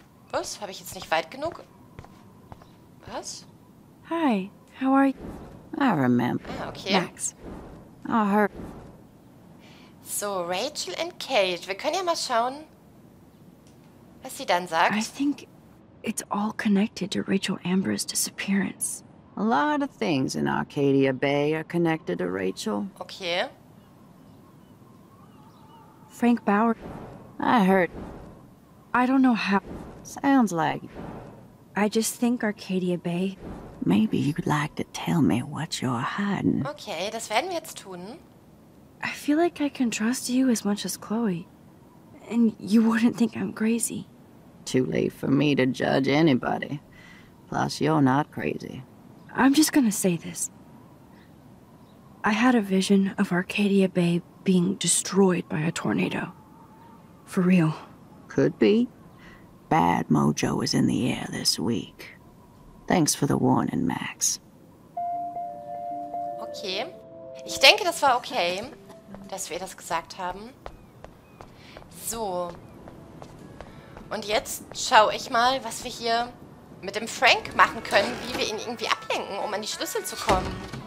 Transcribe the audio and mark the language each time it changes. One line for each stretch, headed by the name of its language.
German: Was? Habe ich jetzt nicht weit genug? Was?
English: Hi, how are you? I remember. Ah, okay. Max. I heard. So, Rachel and Kate.
German: Wir können ja mal schauen, was sie dann sagt.
English: I think it's all connected to Rachel Amber's disappearance. A lot of things in Arcadia Bay are connected to Rachel. Okay. Frank Bauer. I heard. I don't know how. Sounds like. I just think Arcadia Bay. Maybe you'd like to tell me what you're hiding.
German: Okay, das werden wir jetzt tun.
English: I feel like I can trust you as much as Chloe. And you wouldn't think I'm crazy. Too late for me to judge anybody. Plus, you're not crazy. I'm just gonna say this. I had a vision of Arcadia Bay being destroyed by a tornado. For real. Could be. Bad mojo is in the air this week. Thanks for the warning, Max. Okay.
German: Ich denke, das war okay, dass wir das gesagt haben. So. Und jetzt schaue ich mal, was wir hier mit dem Frank machen können, wie wir ihn irgendwie ablenken, um an die Schlüssel zu kommen.